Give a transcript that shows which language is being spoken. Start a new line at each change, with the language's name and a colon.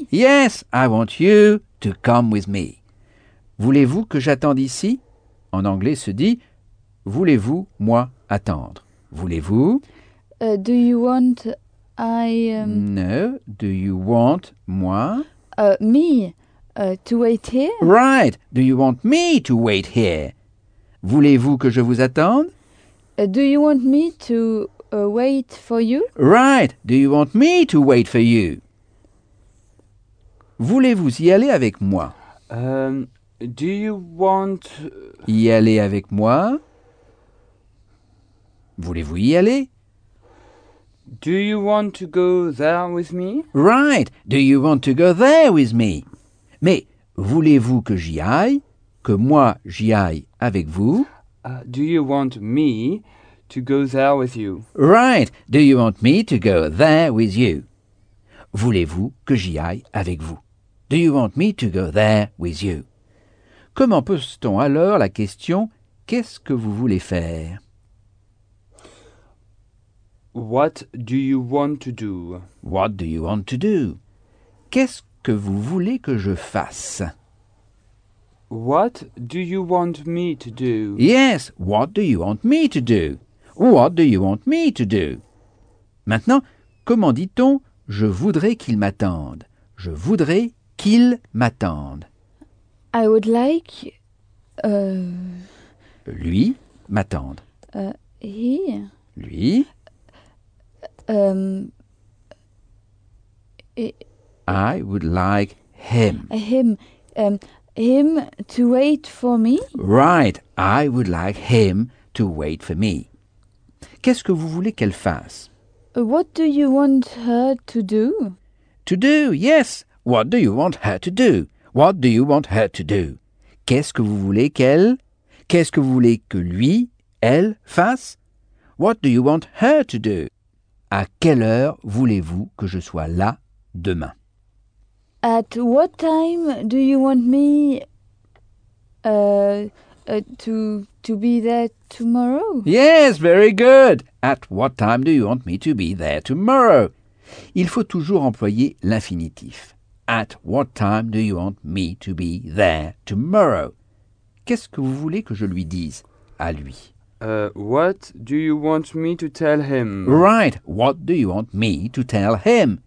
English: Yes, I want you to come with me.
French: Voulez-vous que j'attende ici? En anglais se dit, voulez-vous, moi, attendre? Voulez-vous?
English: Do you want No, do you want moi? Me to wait here? Right, do you want me to wait here?
French: Voulez-vous que je vous attende?
English: Do you want me to wait for you? Right, do you want me to wait for you?
French: Voulez-vous y aller avec moi?
English: Do you want...
French: Y aller avec moi? Voulez-vous y aller?
English: Do you want to go there with me? Right, do you want to go there with me?
French: Mais voulez-vous que j'y aille? Que moi j'y aille avec vous?
English: Do you want me to go there with you? Right, do you want me to go there with you?
French: Voulez-vous que j'y aille avec vous?
English: Do you want me to go there with you?
French: Comment pose-t-on alors la question « qu'est-ce que vous voulez faire ?»
English: What do you want to do? What do you want to do?
French: Qu'est-ce que vous voulez que je fasse?
English: What do you want me to do? Yes, what do you want me to do? What do you want me to do?
French: Maintenant, comment dit-on « je voudrais qu'il m'attende »? Je voudrais qu'il m'attende.
English: I would like...
French: Lui m'attende.
English: He... Lui... I would like him. Him... him to wait for me? Right. I would like him to wait for me.
French: Qu'est-ce que vous voulez qu'elle fasse?
English: What do you want her to do? To do, yes. What do you want her to do? What do you want her to do?
French: Qu'est-ce que vous voulez qu'elle? Qu'est-ce que vous voulez que lui, elle, fasse?
English: What do you want her to do?
French: À quelle heure voulez-vous que je sois là demain?
English: At what time do you want me to be there tomorrow? Yes, very good. At what time do you want me to be there tomorrow?
French: Il faut toujours employer l'infinitif.
English: At what time do you want me to be there tomorrow?
French: Qu'est-ce que vous voulez que je lui dise à lui?
English: What do you want me to tell him? Right. What do you want me to tell him?